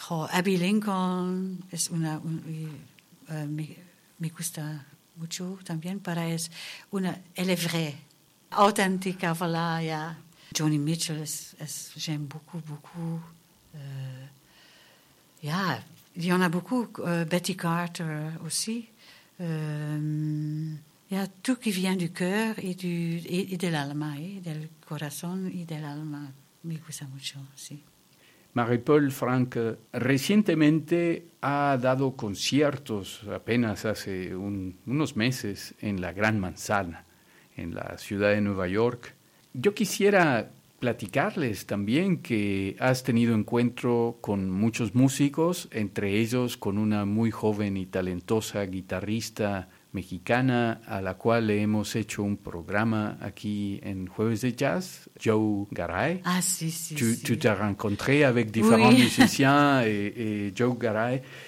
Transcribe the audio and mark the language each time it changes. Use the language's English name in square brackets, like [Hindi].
[Spanish] Abby Lincoln es me gusta mucho también. [French] Para elle est vraie, authentique, voilà. Yeah. Joni Mitchell, j'aime beaucoup, beaucoup. Il y en a beaucoup, Betty Carter aussi. Il y a tout qui vient du cœur et de l'alma, [Spanish] del corazón y del alma. Me gusta mucho, sí. Marie-Paul Franca recientemente ha dado conciertos, apenas hace unos meses, en la Gran Manzana, en la ciudad de Nueva York. Yo quisiera platicarles también que has tenido encuentro con muchos músicos, entre ellos con una muy joven y talentosa guitarrista mexicana a la cual le hemos hecho un programa aquí en Jueves de Jazz, Joe Garay. Ah, sí, sí, tú, sí. Tú te has [French] rencontré avec différents musiciens et Joe Garay.